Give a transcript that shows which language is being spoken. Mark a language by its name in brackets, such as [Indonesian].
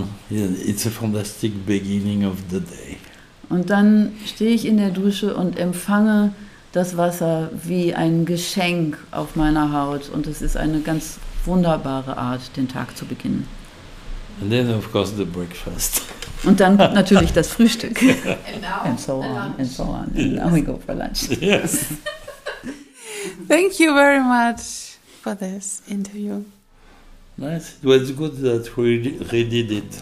[English] It's a fantastic beginning of the day. [German] Und dann stehe ich in der Dusche und empfange das Wasser wie ein Geschenk auf meiner Haut, und es ist eine ganz wunderbare Art, den Tag zu beginnen. [English] And then of course the breakfast. [German] Und dann natürlich das Frühstück. [English] And so on, and so on. And now we go for lunch. Yes. Thank you very much for this interview. Nice. It was good that we redid it.